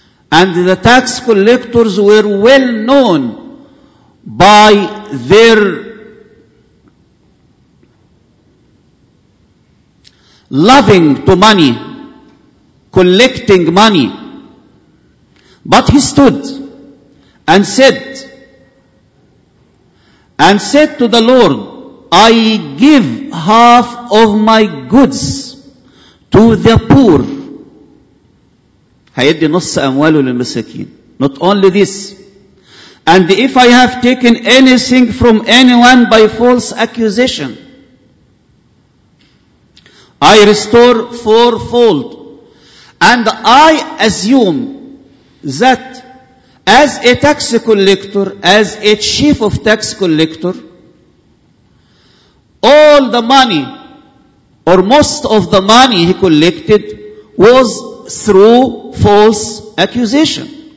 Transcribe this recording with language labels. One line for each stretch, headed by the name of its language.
English: And the tax collectors were well known by their loving to money, collecting money. But he stood and said to the Lord, "I give half of my goods to the poor."
Arabic: هيدي نص أمواله للمساكين.
English: Not only this. "And if I have taken anything from anyone by false accusation, I restore fourfold." And I assume that as a tax collector, as a chief of tax collector, all the money or most of the money he collected was through false accusation.